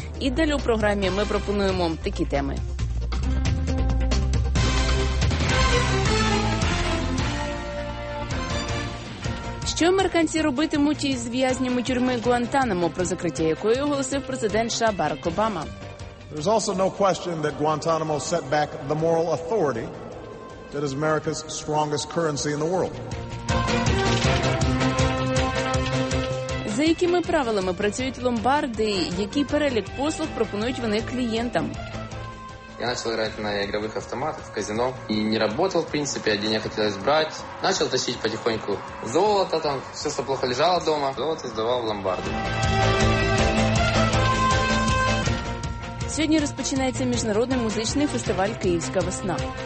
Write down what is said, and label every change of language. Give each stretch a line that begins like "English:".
Ukrainian: І далі у програмі ми пропонуємо такі теми. Що американці робитимуть із в'язнями тюрми Гуантанамо, про закриття якої оголосив президент США Барак Обама?
English: There's also no question that Guantanamo set back the moral authority that is America's strongest currency in the world.
Ukrainian: За якими правилами працюють ломбарди? Який перелік послуг пропонують вони клієнтам?
Russian: Я начал играть на игровых автоматах в казино и не работал, в принципе, а денег хотелось брать. Начал тащить потихоньку золото, там все, что плохо лежало дома, золото сдавал в ломбарды.
Ukrainian: Сьогодні розпочинається міжнародний музичний фестиваль «Київська весна».